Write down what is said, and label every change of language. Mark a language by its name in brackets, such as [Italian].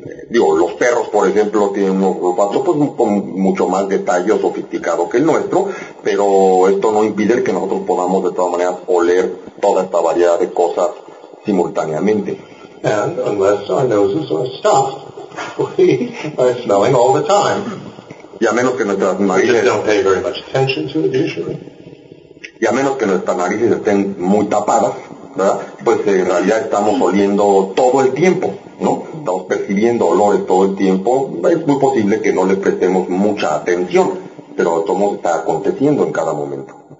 [Spanish] Los perros, por ejemplo, tienen un olfato pues con mucho más detalle o sofisticado que el nuestro, pero esto no impide que nosotros podamos de todas maneras oler toda esta variedad de cosas simultáneamente. [English] And unless our noses are stuffed, we are smelling all the time. [Spanish] Y a menos que nuestras narices... [English] We just don't pay very much attention to it usually. [Spanish] Y a menos que nuestras narices estén muy tapadas, ¿verdad? Pues en realidad estamos oliendo todo el tiempo, ¿no? Estamos percibiendo olores todo el tiempo. Es muy posible que no le prestemos mucha atención, pero todo está aconteciendo en cada momento.